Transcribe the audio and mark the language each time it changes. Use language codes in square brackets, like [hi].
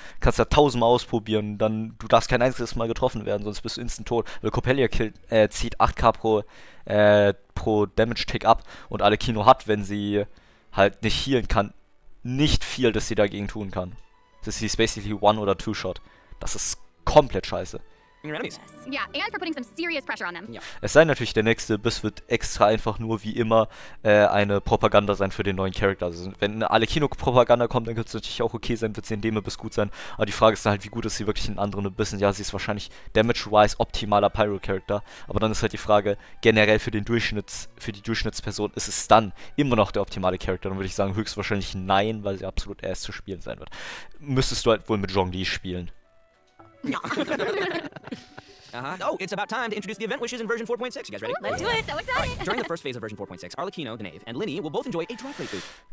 [de] Kannst da tausendmal ausprobieren, dann du darfst kein einziges Mal getroffen werden, sonst bist du instant tot. Weil Coppelia zieht 8k pro Damage Tick ab und Arlecchino hat, wenn sie halt nicht healen kann, nicht viel, das sie dagegen tun kann. Das ist basically one oder two shot. Das ist komplett scheiße. [en] Yeah, and for putting some serious pressure on them. Yeah. [de] Es sei natürlich, der nächste Biss wird extra einfach nur wie immer eine Propaganda sein für den neuen Charakter. Also wenn eine Arlecchino-Propaganda kommt, dann könnte es natürlich auch okay sein, wird sie in dem Biss gut sein. Aber die Frage ist dann halt, wie gut ist sie wirklich in anderen Bissen? Ja, sie ist wahrscheinlich damage-wise optimaler Pyro-Charakter. Aber dann ist halt die Frage, generell für die Durchschnittsperson, ist es dann immer noch der optimale Charakter? Dann würde ich sagen, höchstwahrscheinlich nein, weil sie absolut erst zu spielen sein wird. Müsstest du halt wohl mit Zhongli spielen. [en] Oh, it's about time to introduce the event wishes in version 4.6. You guys ready? Let's do it. So excited. Right. During the first phase of version 4.6, Arlecchino, the Knave, and Linny will both enjoy a drop rate boost.